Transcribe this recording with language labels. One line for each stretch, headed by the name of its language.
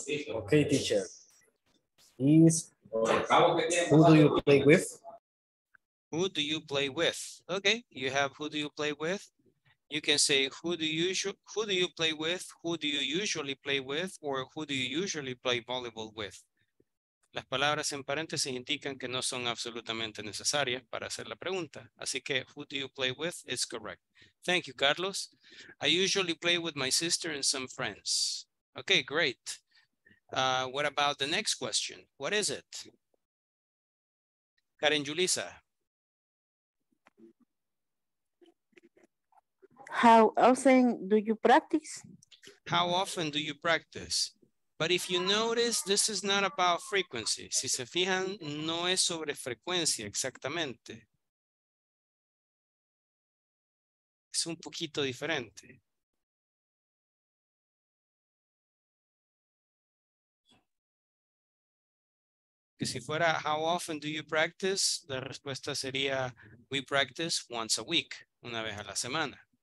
English: Okay, teacher. Who do you play with? Who do you play with? Okay, you have who do you play with? You can say who do you play with? Who do you usually play with? Or who do you usually play volleyball with?
Spanish: Las palabras en paréntesis indican que no son absolutamente necesarias para hacer la pregunta. Así que
English: who do you play with is correct. Thank you, Carlos. I usually play with my sister and some friends. Okay, great. What about the next question? What is it? Karen Julissa. How often do you practice? How often do you practice? But if you notice, this is not about frequency.
Spanish: Si se fijan, no es sobre frecuencia exactamente. Es un poquito diferente. Que si fuera,
English: how often do you practice?
Spanish: La respuesta sería,
English: we practice once a week,
Spanish: una vez a la semana.